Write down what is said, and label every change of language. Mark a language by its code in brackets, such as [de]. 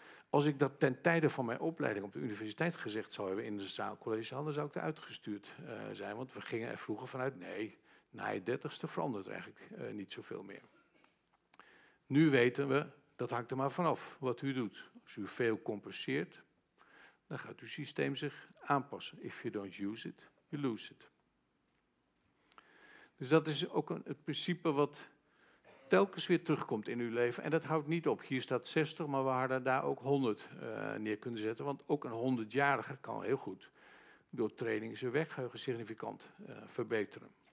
[nl] Als ik dat ten tijde van mijn opleiding op de universiteit gezegd zou hebben in de zaal, collegezaal, dan zou ik eruit gestuurd zijn, want we gingen er vroeger vanuit, nee, na je 30ste verandert er eigenlijk niet zoveel meer. Nu weten we, dat hangt er maar vanaf wat u doet. Als u veel compenseert, dan gaat uw systeem zich aanpassen. [en] If you don't use it, you lose it. [nl] Dus dat is ook het principe wat telkens weer terugkomt in uw leven. En dat houdt niet op. Hier staat 60, maar we hadden daar ook 100 neer kunnen zetten. Want ook een 100-jarige kan heel goed door training zijn werkgeheugen significant verbeteren.